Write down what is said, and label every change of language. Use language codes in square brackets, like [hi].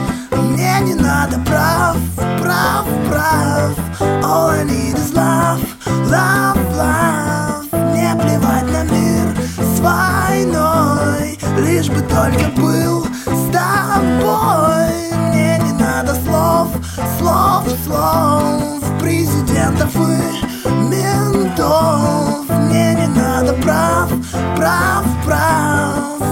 [ru] Мне не надо прав, прав, прав. [en] All I need is love, love, love. [ru] Мне плевать на мир с войной, лишь бы только был с тобой. Мне не надо слов, слов, слов, президентов и ментов. Мне не надо прав, прав, прав.